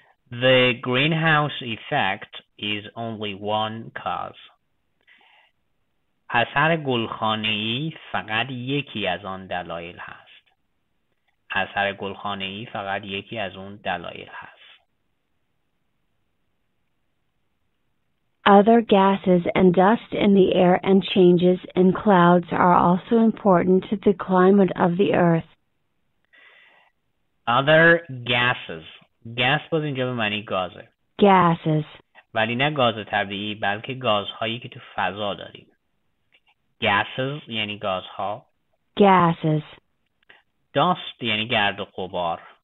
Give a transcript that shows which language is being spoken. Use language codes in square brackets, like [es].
[en] The greenhouse effect is only one cause. [fa] اثر گلخانه‌ای فقط یکی از آن دلایل هست. اثر گلخانه‌ای فقط یکی از اون دلایل هست. [en] Other gases and dust in the air and changes in clouds are also important to the climate of the earth. Other gases. [fa] Gas باز اینجا به معنی گازه. [en] Gases. [fa] ولی نه گاز طبیعی، بلکه گازهایی که تو فضا داریم. Gases یعنی گازها. [en] Gases. [fa] Dust یعنی گرد و غبار.